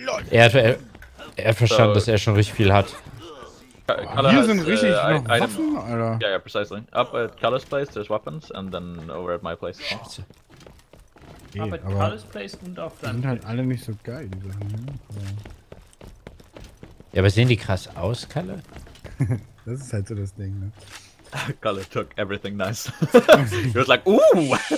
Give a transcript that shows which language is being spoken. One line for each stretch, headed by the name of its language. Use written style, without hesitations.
German: Er verstand, so, dass er schon richtig viel hat. Hier sind richtig noch Waffen, Alter.
English: Yeah, precisely. Up at Kalle's place, there's weapons, and then over at my place.
German: Scheiße. Okay,
English: up at Kalle's place
German: und auf deinem. Sind halt alle nicht so geil, die Sachen. Ja, aber sehen die krass aus, Kalle? Das ist halt so das Ding, ne?
English: Kalle took everything nice. He was like, ooh!